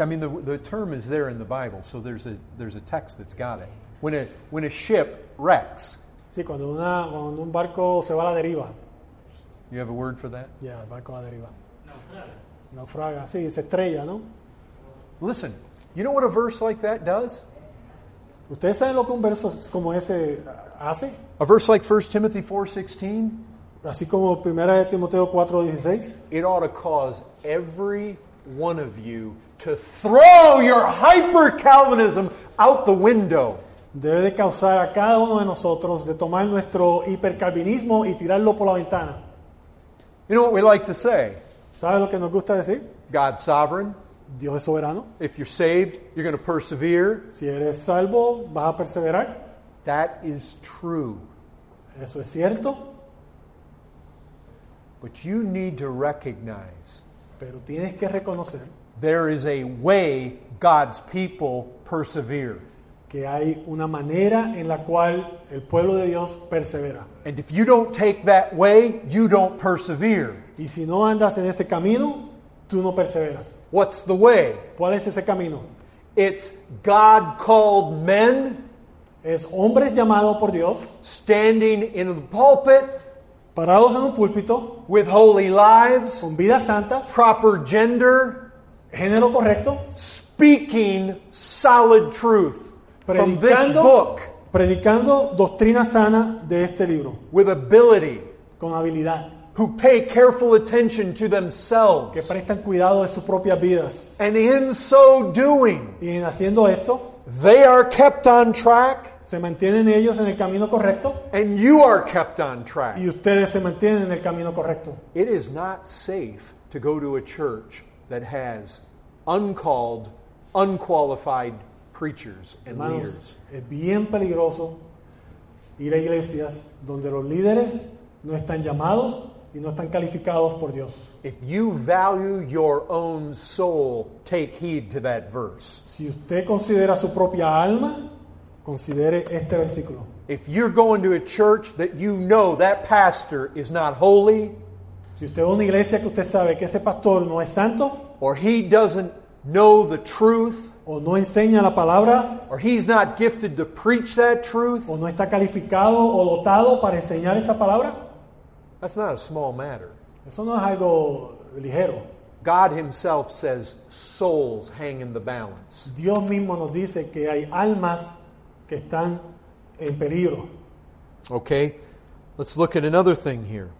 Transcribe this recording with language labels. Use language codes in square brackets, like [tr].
[en] I mean, the term is there in the Bible, so there's a text that's got it. When a ship wrecks. [es] Sí, cuando un barco se va a la deriva. [en] You have a word for that? [es] Yeah, barco a la deriva. Naufraga. Sí, se estrella, ¿no? [en] Listen, you know what a verse like that does? [es] ¿Ustedes saben lo que un verso como ese hace? [en] A verse like 1 Timothy 4:16. [es] Así como Primera de Timoteo 4:16. [en] It ought to cause every one of you to throw your hyper-Calvinism out the window. [es] Debe de causar a cada uno de nosotros de tomar nuestro hipercalvinismo y tirarlo por la ventana. [en] You know what we like to say? [es] ¿Sabe lo que nos gusta decir? [en] God's sovereign. [es] Dios es soberano. [en] If you're saved, you're going to persevere. [es] Si eres salvo, vas a perseverar. [en] That is true. [es] Eso es cierto. [en] But you need to recognize. [es] Pero tienes que reconocer. [en] There is a way God's people persevere. [es] Que hay una manera en la cual el pueblo de Dios persevera. [en] And if you don't take that way, you don't persevere. [es] Y si no andas en ese camino, tú no perseveras. [en] What's the way? [es] ¿Cuál es ese camino? [en] It's God called men. [es] Es hombres llamados por Dios. [en] Standing in the pulpit. [es] Parados en un púlpito. [en] With holy lives. [es] Con vidas santas. [en] Proper gender. [es] Género correcto. [en] Speaking solid truth. From this book. [es] Predicando doctrina sana de este libro. [en] With ability. [es] Con habilidad. [en] Who pay careful attention to themselves. [es] Que prestan cuidado de sus propias vidas. [en] And in so doing. [es] Y en haciendo esto. [en] They are kept on track. [es] Se mantienen ellos en el camino correcto. [en] And you are kept on track. [es] Y ustedes se mantienen en el camino correcto. [en] It is not safe to go to a church that has uncalled, unqualified preachers and [es] Hermanos, [en] leaders. [es] Es bien peligroso ir a iglesias donde los líderes no están llamados y no están calificados por Dios. [en] If you value your own soul, take heed to that verse. [es] Si usted considera su propia alma, considere este versículo. [en] If you're going to a church that you know that pastor is not holy, [es] si usted va a una iglesia que usted sabe que ese pastor no es santo, [en] or he doesn't know the truth, [es] o no enseña la palabra, [en] or he's not gifted to preach that truth, [es] o no está calificado o dotado para enseñar esa palabra, [en] that's not a small matter. [es] Eso no es algo ligero. [en] God himself says souls hang in the balance. [es] Dios mismo nos dice que hay almas que están en peligro. [en] Okay, let's look at another thing here.